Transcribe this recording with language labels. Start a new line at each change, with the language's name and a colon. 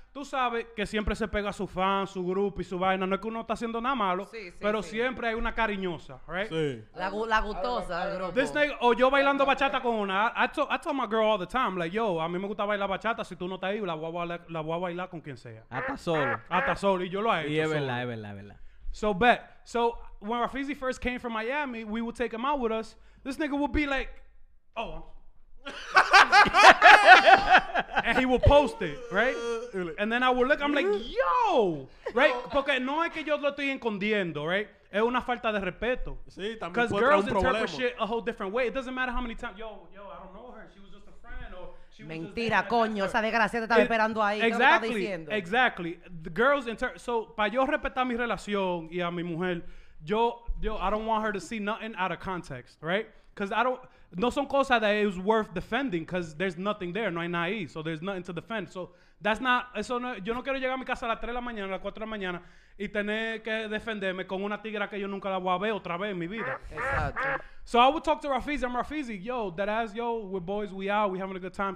Spanish: Tú sabes que siempre se pega a su fan, su grupo y su vaina. No es que uno está haciendo nada malo, pero siempre hay una cariñosa, right? Sí. La gustosa del grupo.
English: This nigga,
Spanish: o yo bailando bachata con una.
English: I told my girl all the time, like, yo,
Spanish: a mí me gusta bailar bachata. Si tú no estás ahí, la voy a bailar con quien sea. Hasta solo. Hasta solo. Y yo lo he hecho. Y es verdad, es verdad, es verdad.
English: So, bet. So, when Rafizi first came from Miami, we would take him out with us. This nigga would be like, oh, and he will post it, right? And then I will look, I'm like, yo, right?
Spanish: Porque no es que yo lo estoy escondiendo, right? Es una falta de respeto. Sí, también puede ser un problema.
English: Because girls interpret shit a whole different way. It doesn't matter how many times, yo, I don't know her. She was just a friend, or she was
Spanish: mentira, coño. Esa desgracia te estaba esperando ahí.
English: Exactly,
Spanish: ¿qué estás
English: diciendo? Exactly. The girls interpret. So,
Spanish: para yo respetar mi relación y a mi mujer,
English: yo, I don't want her to see nothing out of context, right? Because I don't.
Spanish: No son cosas
English: that it was worth defending because there's nothing there.
Spanish: No hay nada ahí.
English: So there's nothing to defend. So that's not...
Spanish: Eso no, yo no quiero llegar a mi casa a las 3 de la mañana, a las 4 de la mañana y tener que defenderme con una tigra que yo nunca la voy a ver otra vez en mi vida. Exacto.
English: So I would talk to Rafizi. I'm Rafizi. Yo, that ass, yo, we're boys, we out, we having a good time.